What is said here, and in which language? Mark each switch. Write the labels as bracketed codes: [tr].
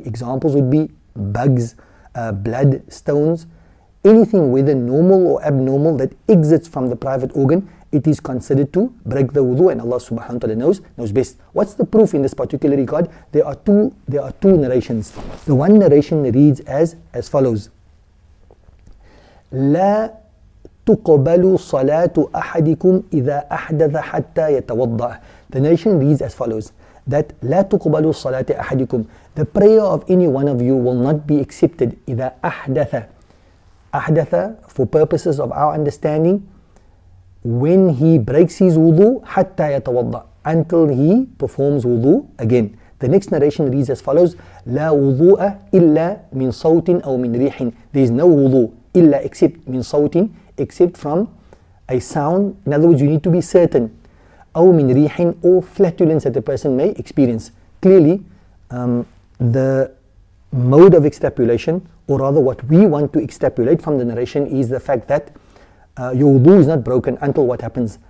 [en] Examples would be bugs, blood, stones, anything whether normal or abnormal that exits from the private organ. It is considered to break the wudu, and Allah subhanahu wa ta'ala knows best. What's the proof in this particular regard? There are two narrations. The one narration reads as follows. [ar] لا تقبل صلاة أحدكم إذا أحدث حتى يتوضع. [en] The narration reads as follows. [ar] That لا تقبل صلاة أحدكم. [en] The prayer of any one of you will not be accepted [ar] إذا أحدث. [en] أحدث, for purposes of our understanding, when he breaks his wudu, [ar] حتى يتوضع, [en] until he performs wudu again. The next narration reads as follows, [ar] لا وضوء إلا من صوت أو من ريح. [en] There is no wudu إلا except [ar] من صوت, [en] except from a sound. In other words, you need to be certain. [ar] أو من ريح, [en] or flatulence that the person may experience. Clearly, the mode of extrapolation, or rather what we want to extrapolate from the narration, is the fact that your wudu is not broken until what happens?